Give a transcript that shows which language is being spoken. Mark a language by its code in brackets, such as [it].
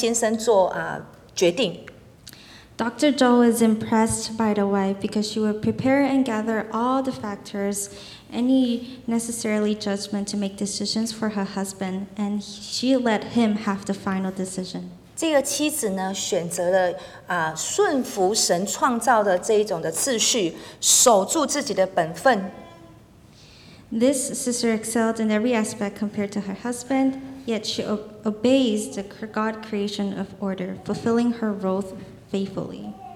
[zh] 那即使是这样，那这个妻子呢，就是说怎么样被这个钟马田医师呢去觉得心里面去赞服他，是因为这个妻子呢，她呢会做很多的一些预备的工作给她的先生，无论是先生要做什么，要需要的东西，她都帮他预备好，最后让先生做决定。 [en] Dr. Joe is impressed by the wife because she would prepare and gather all the factors, any necessary judgment to make decisions for her husband, and she let him have the final decision. [zh] 这个妻子呢，选择了顺服神创造的这一种的次序，守住自己的本分。 [en] This sister excelled in every aspect compared to her husband, yet she obeys the God creation of order, fulfilling her role faithfully.